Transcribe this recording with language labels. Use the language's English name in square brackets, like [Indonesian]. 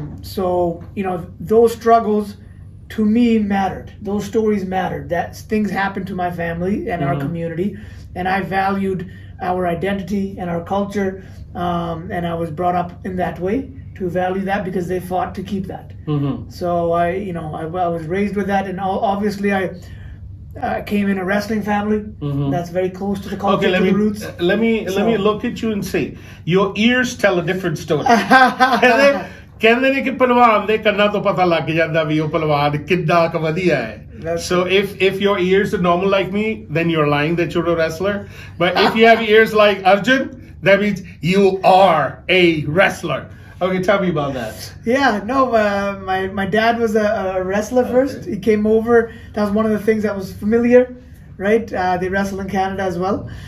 [English] so you know those struggles to me mattered those stories mattered that things happened to my family and our community and I valued our identity and our culture and I was brought up in that way to value that because they fought to keep that so I was raised with that and obviously I came in a wrestling family that's very close to the culture, okay, to the roots. Let me look at you and see. Your ears tell a different story. [Punjabi] ਕਹਿੰਦੇ ਨੇ ਕਿ ਪਹਿਲਵਾਨ ਦੇ ਕੰਨਾਂ ਤੋਂ ਪਤਾ ਲੱਗ ਜਾਂਦਾ ਵੀ ਉਹ ਪਹਿਲਵਾਨ ਕਿੱਦਾਂ ਕੁ ਵਧੀਆ ਹੈ. [English] So if your ears are normal like me, then you're lying that you're a wrestler. But if you have ears like Arjun, that means you are a wrestler. Okay, tell me about that. Yeah, no, my dad was a wrestler first. Okay. He came over. That was one of the things that was familiar, right? They wrestled in Canada as well.